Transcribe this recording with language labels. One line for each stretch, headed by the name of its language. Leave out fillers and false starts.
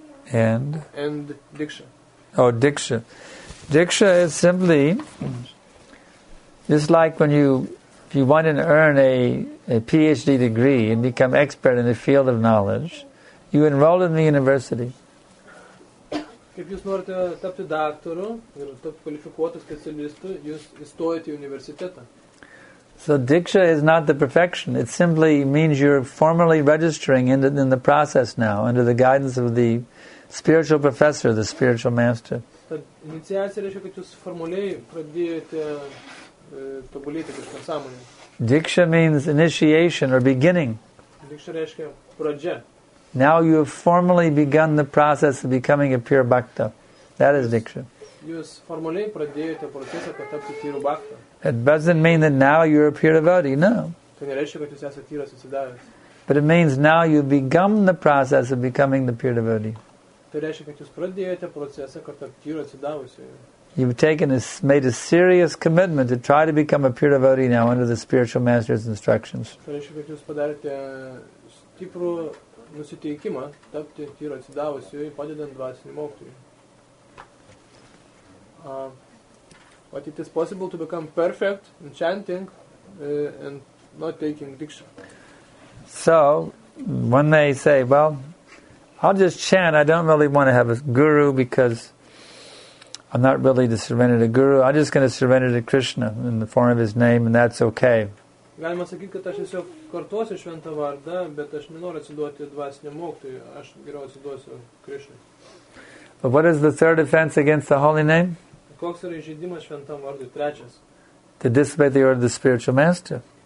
English: and diksha. Oh, diksha. Diksha is simply just like when you want to earn a PhD degree and become expert in a field of knowledge, you enroll in the university.
Lithuanian: Kaip jūs norite tapti daktaru ir tapti kvalifikuotu specialistu, jūs įstojate į universitetą.
English: So diksha is not the perfection. It simply means you're formally registering in the process now under the guidance of the spiritual professor, the spiritual master.
Lithuanian: Tad iniciacija reiškia, kad jūs formuliai pradėjote tobulėti kažką sąmonį.
English: Diksha means initiation or beginning.
Lithuanian: Diksha reiškia pradžia.
English: Now you have formally begun the process of becoming a pure bhakta. That is diksha.
Lithuanian: jūs formaliai pradėjote procesą, kad tapti tyru bhakta.
English: It doesn't mean that now you're a pure devotee, no.
Lithuanian: Tai nereiškia, kad jūs esate tyras atsidavęs.
English: But it means now you've begun the process of becoming the pure devotee.
Lithuanian: Tai reiškia, kad jūs pradėjote procesą, kad tapti tyru atsidavusiu.
English: You've made a serious commitment to try to become a pure devotee now under the spiritual master's instructions.
Lithuanian: Tai reiškia, kad jūs padarėte stiprų nusiteikimą tapti tyru atsidavusiu, padedant dvasiniam mokytojui.
English: But it is possible to become perfect in chanting and not taking diksha. So, when they say, well, I'll just chant, I don't really want to have a guru because I'm not really to surrender to guru, I'm just going to surrender to Krishna in the form of his name and that's okay.
Lithuanian: Galima sakyti, kad aš tiesiog kartuosiu šventą vardą, bet aš nenoriu atsiduoti dvasiniam mokytojui, aš geriau atsiduosiu Krishnai.
English: But what is the third offense against the holy name?
Lithuanian: Koks yra įžeidimas šventam vardui, trečias?
English: To disobey the order of the spiritual master.